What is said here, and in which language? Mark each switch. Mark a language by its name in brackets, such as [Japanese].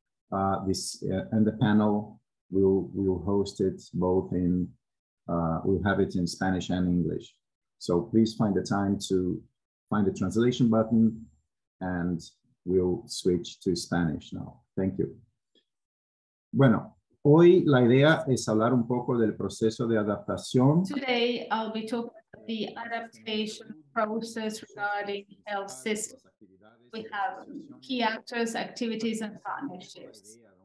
[English] And the panel will host it both in, we'll have it in Spanish and English. So please find the time to find the translation button and we'll switch to Spanish now. Thank you. [Spanish] Bueno, hoy la idea es hablar un poco del proceso de adaptación. [English] Today I'll be talking about the adaptation process regarding health systems. We have key actors, activities, and partnerships.